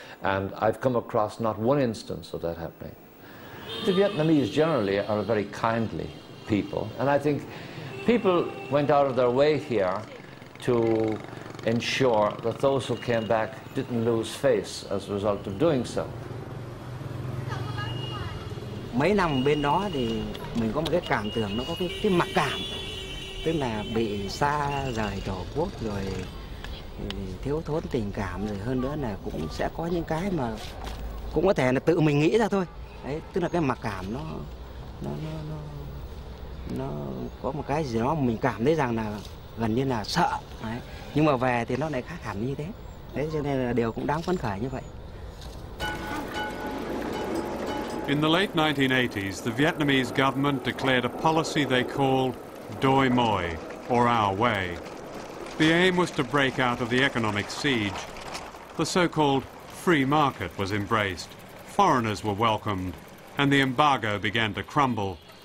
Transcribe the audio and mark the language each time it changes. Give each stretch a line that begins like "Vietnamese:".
English: And I've come across not one instance of that happening. The Vietnamese generally are very kindly people, and I think people went out of their way here to ensure that those who came back didn't lose face as a result of doing so.
Vietnamese: Mấy năm bên đó thì mình có một cái cảm tưởng, nó có cái mặc cảm, tức là bị xa rời tổ quốc rồi thiếu thốn tình cảm, rồi hơn nữa là cũng sẽ có những cái mà cũng có thể là tự mình nghĩ ra thôi. Đấy, tức là cái mặc cảm nó có một cái gì đó mình cảm thấy rằng là gần như là sợ. Đấy. Nhưng mà về thì nó lại khác hẳn như thế. Đấy, cho nên là điều cũng đáng phấn khởi như vậy.
English: In the late 1980s, the Vietnamese government declared a policy they called Doi Moi, or Our Way. The aim was to break out of the economic siege. the so-called free market was embraced, foreigners were welcomed, and the embargo began to crumble.